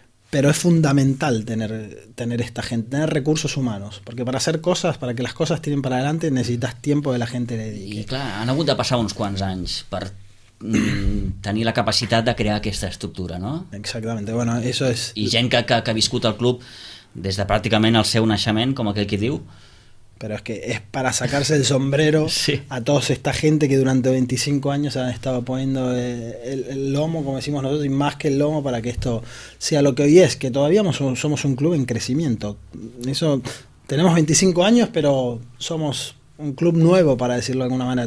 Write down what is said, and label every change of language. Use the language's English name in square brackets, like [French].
[Spanish] Pero es fundamental tener esta gente, tener recursos humanos, porque para hacer cosas, para que las cosas tiren para adelante, necesitas tiempo de la gente que dedique. Y claro, [Catalan] han hagut de pasar uns quants anys per tenir la capacitat de crear aquesta estructura, no? [Spanish] Exactamente, bueno, eso es... [Catalan] I gent que ha viscut al club des de pràcticament el seu naixement, com aquell qui diu, [Spanish] pero es que es para sacarse el sombrero sí. a toda esta gente que durante 25 años han estado poniendo el lomo, como decimos nosotros, y más que el lomo, para que esto sea lo que hoy es, que todavía somos un club en crecimiento. Eso, tenemos 25 años, pero somos un club nuevo, para decirlo de alguna manera.